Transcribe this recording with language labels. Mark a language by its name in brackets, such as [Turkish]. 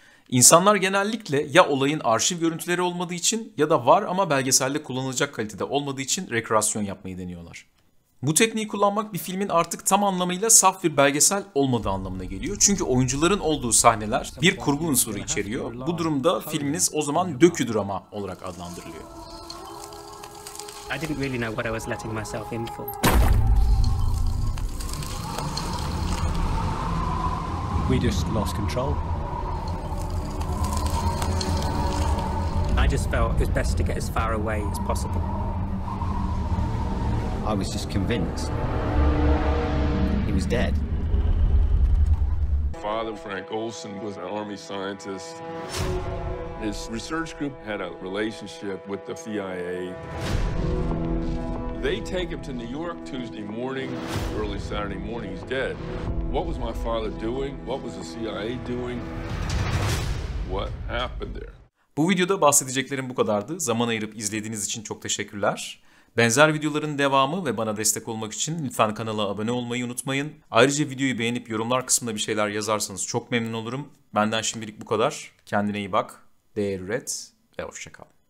[Turkish] İnsanlar genellikle ya olayın arşiv görüntüleri olmadığı için ya da var ama belgeselde kullanılacak kalitede olmadığı için rekreasyon yapmayı deniyorlar. Bu tekniği kullanmak bir filmin artık tam anlamıyla saf bir belgesel olmadığı anlamına geliyor. Çünkü oyuncuların olduğu sahneler bir kurgu unsuru içeriyor. Bu durumda filminiz o zaman dökü-drama olarak adlandırılıyor. [English] I didn't really know what I was letting myself in for. We just lost control. I just felt it was best to get as far away as possible. I was just convinced he was dead. Father Frank Olson was an army scientist. His research group had a relationship with the CIA. They take him to New York Tuesday morning, early Saturday morning, he's dead. What was my father doing? What was the CIA doing? What happened there? [Turkish] Bu videoda bahsedeceklerim bu kadardı. Zaman ayırıp izlediğiniz için çok teşekkürler. Benzer videoların devamı ve bana destek olmak için lütfen kanala abone olmayı unutmayın. Ayrıca videoyu beğenip yorumlar kısmında bir şeyler yazarsanız çok memnun olurum. Benden şimdilik bu kadar. Kendine iyi bak, değer üret ve hoşça kal.